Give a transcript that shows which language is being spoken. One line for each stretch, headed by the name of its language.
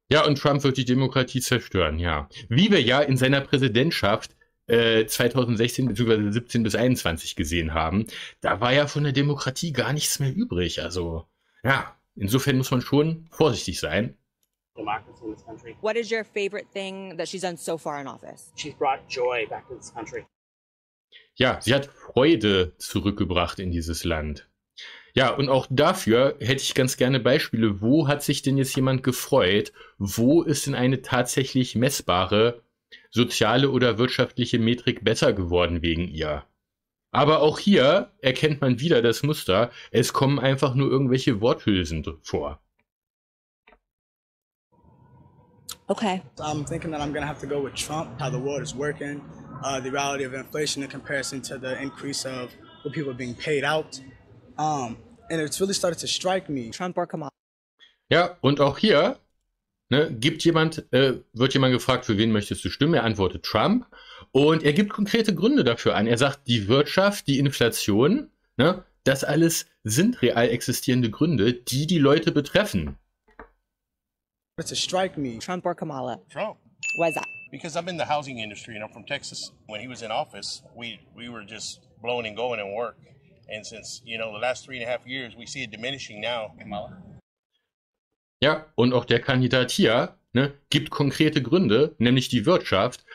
German: Ja, und Trump wird die Demokratie zerstören, ja. Wie wir ja in seiner Präsidentschaft 2016 bzw. 17 bis 21 gesehen haben, da war ja von der Demokratie gar nichts mehr übrig. Also, ja, insofern muss man schon vorsichtig sein.
English: Democracy in this country. What is your favorite thing that she's done so far in office? She's brought joy back to this country.
German: Ja, sie hat Freude zurückgebracht in dieses Land. Ja, und auch dafür hätte ich ganz gerne Beispiele. Wo hat sich denn jetzt jemand gefreut? Wo ist denn eine tatsächlich messbare soziale oder wirtschaftliche Metrik besser geworden wegen ihr? Aber auch hier erkennt man wieder das Muster. Es kommen einfach nur irgendwelche Worthülsen vor. Okay.
English: I'm thinking that I'm gonna have to go with Trump, how the world is working. The reality of inflation in comparison to the increase of what people are being paid out. And it's really started to strike me. Trump or Kamala.
German: Ja, und auch hier, ne, wird jemand gefragt, für wen möchtest du stimmen? Er antwortet Trump. Und er gibt konkrete Gründe dafür an. Er sagt, die Wirtschaft, die Inflation, ne, das alles sind real existierende Gründe, die die Leute betreffen.
English: It's a strike me. Trump or Kamala. Trump. Why is that? Because I'm in the housing industry and I'm from Texas. When he was in office, we were just blowing and going in work. And since, you know, the last 3.5 years, we see it diminishing now. Kamala.
German: Ja, und auch der Kandidat hier, ne, gibt konkrete Gründe, nämlich die Wirtschaft.